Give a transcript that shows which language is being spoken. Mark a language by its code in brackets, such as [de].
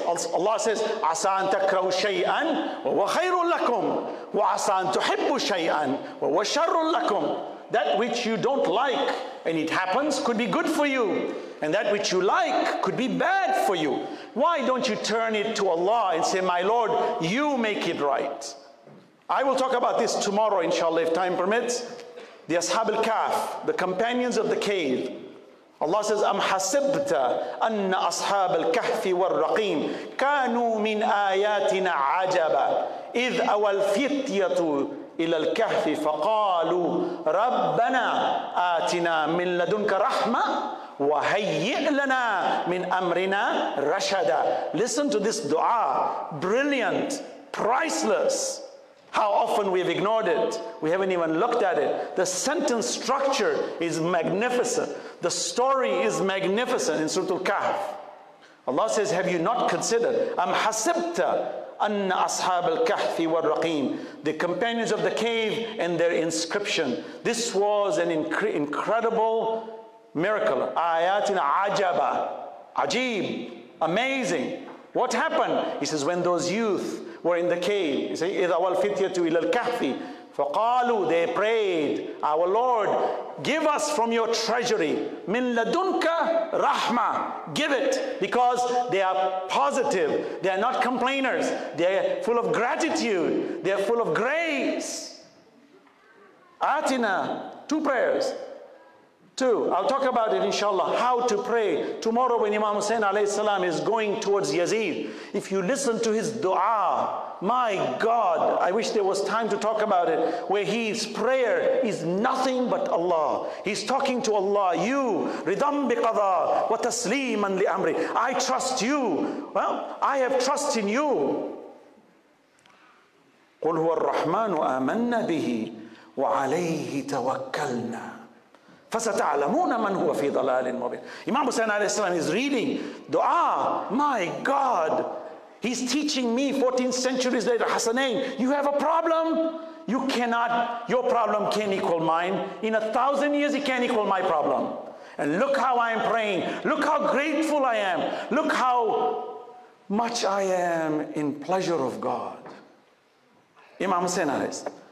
[en] Allah says, [ar] عَسَىٰ أَن تَكْرَهُ شَيْئًا وَهُوَ خَيْرٌ لَكُمْ وَعَسَىٰ أَن تُحِبُّ شَيْئًا وَهُوَ شَرٌ لَكُمْ [en] That which you don't like and it happens could be good for you. And that which you like could be bad for you. Why don't you turn it to Allah and say, my Lord, you make it right. I will talk about this tomorrow, inshallah, if time permits. The Ashab al-Kahf, the companions of the cave. Allah says, [ar] أَمْ حَسِبْتَ أَنَّ أَصْحَابَ الْكَهْفِ وَالرَّقِيمِ كَانُوا مِنْ آيَاتِنَا عَجَبًا إِذْ أَوَالْفِتْيَةُ إِلَى الْكَهْفِ فَقَالُوا رَبَّنَا آتِنَا مِنْ لَدُنْكَ رَحْمَةً وَهَيِّئْ لَنَا مِنْ أَمْرِنَا رَشَدًا [en] Listen to this dua. Brilliant. Priceless. How often we've ignored it. We haven't even looked at it. The sentence structure is magnificent. The story is magnificent in Surah Al-Kahf. Allah says, have you not considered? [ar] أَمْ حَسِبْتَ أَنَّ أَصْحَابَ الْكَهْفِ وَالرَّقِيمِ [en] The companions of the cave and their inscription. This was an incredible miracle. [ar] آيَاتٍ عَجَبًا عَجِيب [en] Amazing. What happened? He says, when those youth were in the cave, he says, [ar] إِذَا وَالْفِتْيَةُ إِلَى الْكَهْفِ فَقَالُوا [en] They prayed, our Lord, give us from your treasury, [ar] مِنْ لَدُنْكَ رَحْمَةً [en] Give it, because they are positive. They are not complainers. They are full of gratitude. They are full of grace. Atina, two prayers. Two, I'll talk about it, inshallah, how to pray. Tomorrow when Imam Hussein alayhi salam is going towards Yazid, if you listen to his dua, my God, I wish there was time to talk about it, where his prayer is nothing but Allah. He's talking to Allah, you, [ar] ridham bi qada wa tasliman li amri. [en] I trust you. Well, I have trust in you. [ar] قُلْ هُوَ الرَّحْمَنُ آمَنَّ بِهِ وَعَلَيْهِ تَوَكَّلْنَا فَسَتَعْلَمُونَ مَنْ هُوَ فِي ضَلَالٍ مُبِينٍ [en] Imam Hussain alayhi salam is reading dua. My God, he's teaching me 14 centuries later, Hasanain, you have a problem? You cannot, your problem can't equal mine. In 1,000 years, it can't equal my problem. And look how I'm praying. Look how grateful I am. Look how much I am in pleasure of God. Imam Hussein Aris.